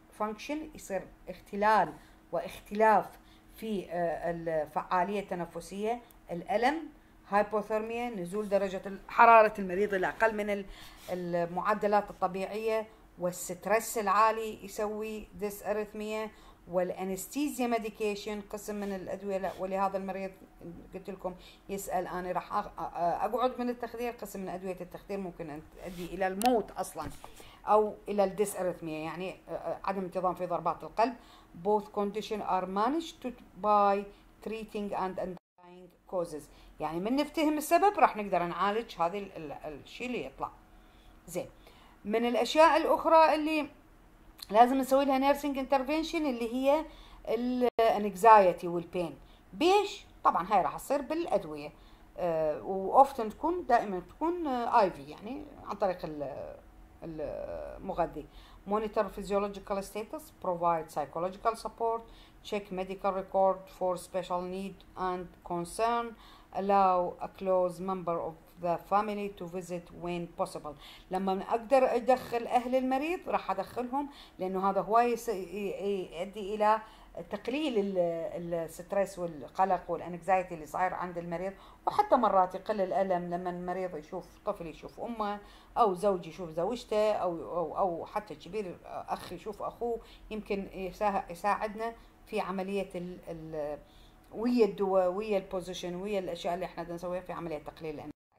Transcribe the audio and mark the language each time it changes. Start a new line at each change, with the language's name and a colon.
Arabic: function يصير اختلال واختلاف في الفعالية التنفسية، الألم، هايبوثرميا، نزول درجة حرارة المريض إلى أقل من المعدلات الطبيعية، والسترس العالي يسوي ديس أريثميا، والأنستيزيا ميديكيشن قسم من الأدوية. ولهذا المريض قلت لكم يسأل أنا راح أقعد من التخدير، قسم من أدوية التخدير ممكن أدي إلى الموت أصلا أو إلى الديس أريثميا، يعني عدم انتظام في ضربات القلب.
English: Both conditions are managed by treating and underlying causes.
Arabic: يعني من نفتهم السبب راح نقدر نعالج هذه الشيء اللي يطلع. زين، من الأشياء الأخرى اللي لازم نسوي لها nursing intervention اللي هي الـ anxiety والـ pain. بيش؟ طبعا هاي راح تصير بالأدوية، وأوفتن تكون دائما تكون IV يعني عن طريق المغذي.
English: Monitor physiological status, provide psychological support, check medical record for special need and concern, allow a close member of the family to visit when possible.
Arabic: لما أقدر أدخل أهل المريض راح أدخلهم، لأنه هذا هو يؤدي إلى تقليل السترس والقلق والأنكزايتي اللي صاير عند المريض، وحتى مرات يقل الألم لما المريض يشوف طفل يشوف أمه، أو زوج يشوف زوجته، أو حتى كبير أخ يشوف أخوه، يمكن يساعدنا في عملية ال ويا الدواء ويا البوزيشن ويا الأشياء اللي إحنا نسويها في عملية تقليل الأنكزايتي.